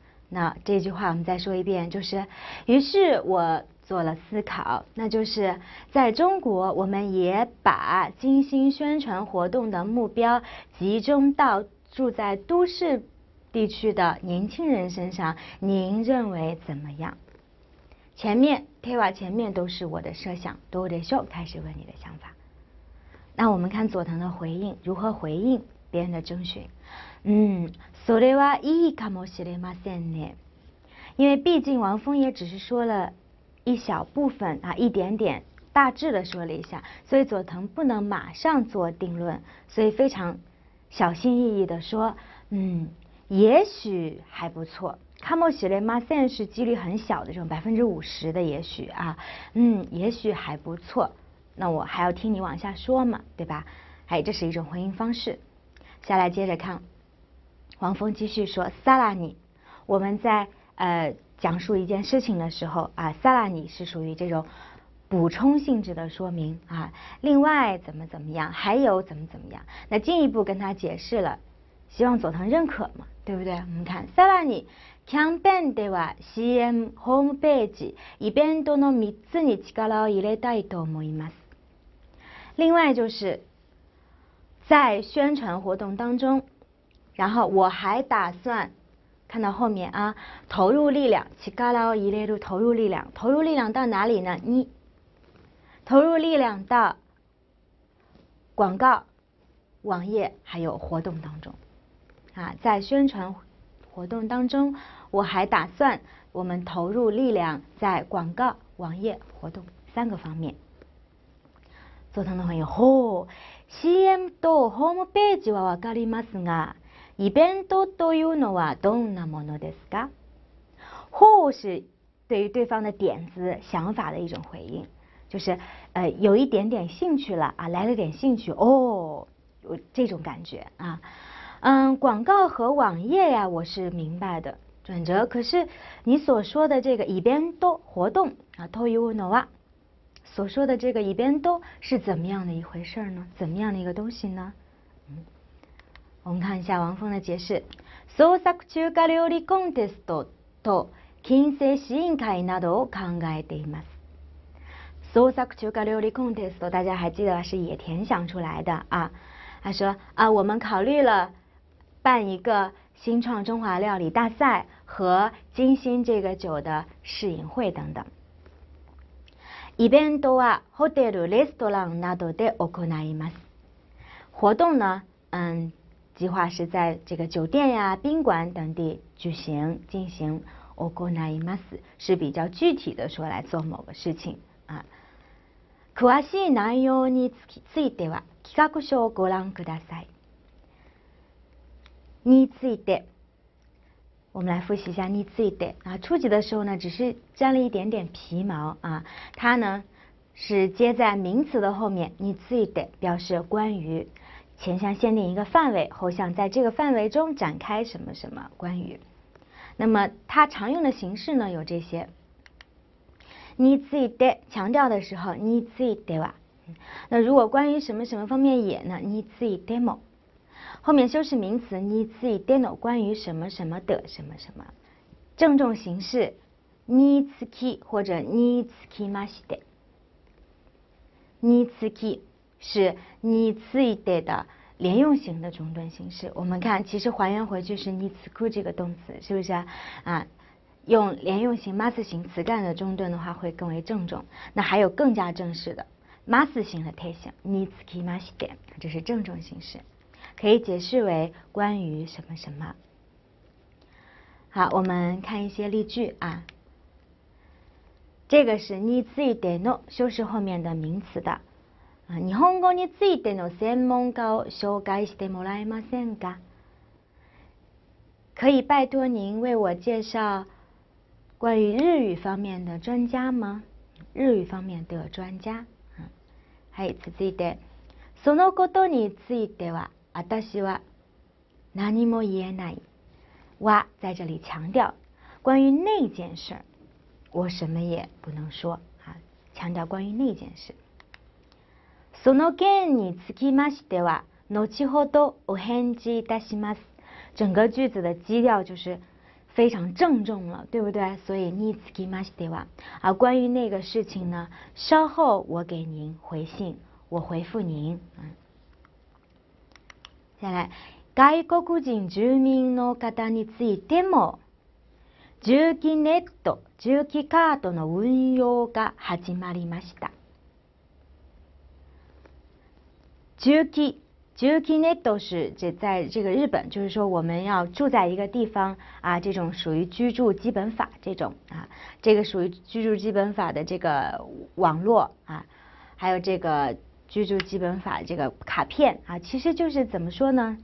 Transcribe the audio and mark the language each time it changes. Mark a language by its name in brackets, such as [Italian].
[Chinese] 那这句话我们再说一遍，就是于是我做了思考，那就是在中国我们也把金星宣传活动的目标集中到住在都市地区的年轻人身上，您认为怎么样？前面テーマ前面都是我的设想， [Japanese] どうでしょう？ [Chinese] 开始问你的想法。那我们看佐藤的回应，如何回应别人的征询？ [Japanese] それはいいかもしれませんね。 [Chinese] 因为毕竟王峰也只是说了一小部分啊，一点点，大致的说了一下，所以佐藤不能马上做定论，所以非常小心翼翼的说，也许还不错。 [Japanese] かもしれません [Chinese] 是几率很小的这种50%的也许啊，也许还不错，那我还要听你往下说嘛，对吧？哎，这是一种回应方式。下来接着看，王峰继续说，さらに，我们在讲述一件事情的时候啊，さらに是属于这种补充性质的说明啊，另外怎么怎么样，还有怎么怎么样，那进一步跟他解释了。希望佐藤认可嘛，对不对？我们看， [Japanese] さらにキャンペーンでは CM、ホームページ、イベントの3つに力を入れたいと思います。 [Chinese] 另外就是在宣传活动当中，然后我还打算看到后面啊，投入力量，力を入れる，投入力量，投入力量到哪里呢？你投入力量到广告、网页还有活动当中。啊，在宣传活动当中，我还打算我们投入力量在广告、网页、活动三个方面。佐藤の朋友， [Japanese] CM とホームページはわかりますが、イベントというのはどんなものですか？ [Chinese] ほう是对于对方的点子、想法的一种回应，就是有一点点兴趣了啊，来了点兴趣哦，有这种感觉啊。广告和网页呀，我是明白的，转折。可是你所说的这个イベント活动啊，というのは，所说的这个イベント是怎么样的一回事呢？怎么样的一个东西呢？我们看一下王峰的解释。 [Japanese] 創作中華料理コンテストと金星試飲会などを考えています。 [Chinese] 創作中華料理コンテスト，大家还记得是野田想出来的啊。他说啊，我们考虑了办一个新创中华料理大赛和金星这个酒的试饮会等等。 [Japanese] イベントはホテル、レストランなどで行います。 [Chinese] 活动呢，计划是在这个酒店呀、宾馆等地举行进行。行います是比较具体的说来做某个事情啊。 [Japanese] 詳しい内容については企画書をご覧ください。 [Chinese] について，我们来复习一下について啊。初级的时候呢，只是沾了一点点皮毛啊。它呢是接在名词的后面，について表示关于，前项限定一个范围，后项在这个范围中展开什么什么关于。那么它常用的形式呢有这些。について强调的时候，については [Japanese] は。 [Chinese] 那如果关于什么什么方面也呢，についても。后面修饰名词についての，关于什么什么的什么什么，郑重形式につき或者につきまして。につき是について的连用型的中断形式，我们看其实还原回去是につく这个动词，是不是 啊用连用型ます型词干的中断的话会更为郑重。那还有更加正式的ます型的贴型につきまして，这是郑重形式，可以解释为关于什么什么。好，我们看一些例句啊。这个是についての修饰后面的名词的。 [Japanese] 日本語についての専門家を紹介してもらえませんか？ [Chinese] 可以拜托您为我介绍关于日语方面的专家吗？日语方面的专家。 [Japanese] はい、続いて。そのことについては私は何も言えない。 [Chinese] は在这里强调关于那件事，我什么也不能说啊，强调关于那件事。 [Japanese] その件につきましては後ほどお返事いたします。 [Chinese] 整个句子的基调就是非常郑重了，对不对？所以につきましては啊，关于那个事情呢，稍后我给您回信，我回复您。再来， [Japanese] 外国人住民の方についても、住基ネット重機カートの運用が始まりました。 [Chinese] 重機呢，都是这在这个日本，就是说我们要住在一个地方啊，这种属于居住基本法这种啊，这个属于居住基本法的这个网络啊，还有这个居住基本法这个卡片啊，其实就是怎么说呢？